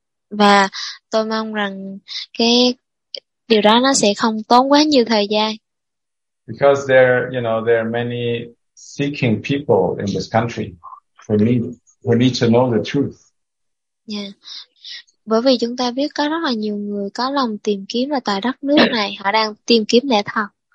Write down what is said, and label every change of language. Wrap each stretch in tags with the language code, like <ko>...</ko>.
<vi>Và tôi mong rằng cái điều đó nó sẽ không tốn quá nhiều thời gian.</vi> <en>Because there are many seeking people in this country who need to know the truth. Yeah.</en> <vi>Bởi vì chúng ta biết có rất là nhiều người có lòng tìm kiếm ở tại đất nước này, họ đang tìm kiếm lẽ thật.</vi>